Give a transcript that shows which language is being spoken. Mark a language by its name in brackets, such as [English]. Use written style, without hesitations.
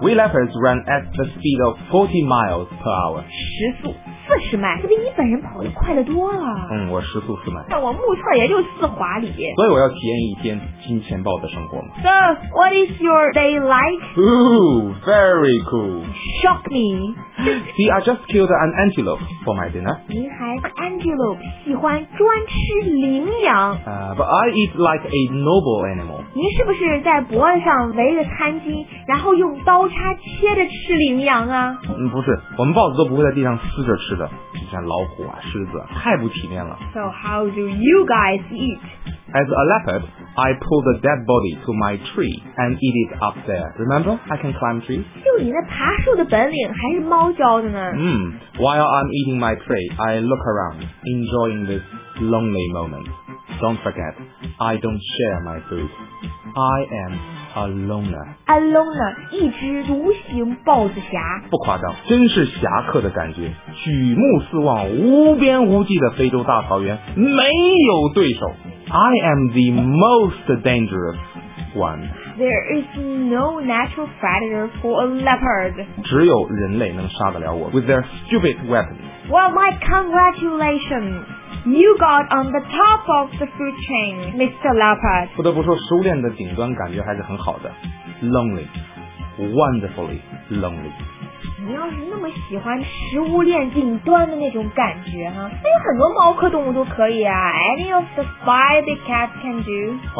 [English] We leopards run at the speed of 40 miles per hour. [Chinese] 时速40迈，这比你本人跑得快得多了。嗯，我时速4迈。但我目测也就4华里。所以我要体验一天金钱豹的生活嘛。 [English] So, what is your day like? Ooh, very cool. Shock me. See, I just killed an antelope for my dinner. [Chinese] 您还antelope喜欢专吃羚羊。 [English] But I eat like a noble animal. [Chinese] 您是不是在脖子上围着餐巾，然后用刀叉切着吃羚羊啊？嗯，不是，我们豹子都不会在地上撕着吃的，就像老虎啊、狮子，太不体面了。 [English] So how do you guys eat? As a leopard, I pull the dead body to my tree and eat it up there. Remember, I can climb trees. [Chinese] 就你那爬树的本领还是猫教的呢。 [English] Mm, while I'm eating my prey, I look around, enjoying this lonely moment. Don't forget, I don't share my food. I am... A loner. [Chinese] A loner, 一只独行豹子侠。不夸张，真是侠客的感觉。举目四望，无边无际的非洲大草原，没有对手。 [English] I am the most dangerous one. There is no natural predator for a leopard. [Chinese] 只有人类能杀得了我 with their stupid weapons. [English] Well, my congratulations. You got on the top of the food chain, Mr. Leopard. [Chinese] 不得不说，食物链的顶端感觉还是很好的。 [English] Lonely, wonderfully lonely. [Chinese] 你要是那么喜欢食物链顶端的那种感觉哈，那有很多猫科动物都可以啊。 [English] Any of the 5 big cats can do.